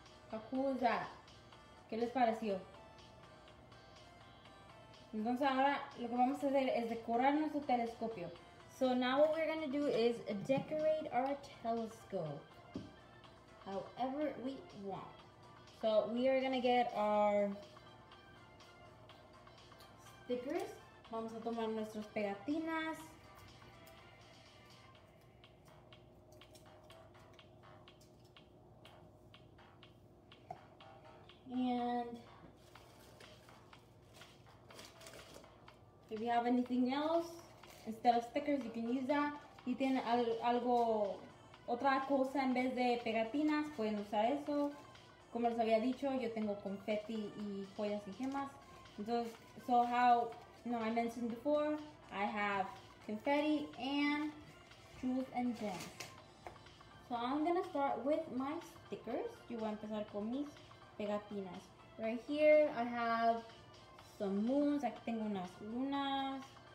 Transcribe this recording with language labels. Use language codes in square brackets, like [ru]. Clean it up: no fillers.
[en] How cool is that? [es] ¿Qué les pareció? Entonces ahora lo que vamos a hacer es decorar nuestro telescopio. [en] So now what we're going to do is decorate our telescope however we want. So we are going to get our stickers. [es] Vamos a tomar nuestras pegatinas. [en] And if you have anything else, instead of stickers, you can use that. [es] Si tienen algo, otra cosa en vez de pegatinas, pueden usar eso. Como les había dicho, yo tengo confeti y joyas y gemas. [en] Entonces, so how, no, I mentioned before, I have confetti and jewels and gems. So I'm going to start with my stickers. [es] Yo voy a empezar con mis pegatinas. [en] Right here, I have some moons. [es] Aquí tengo unas lunas.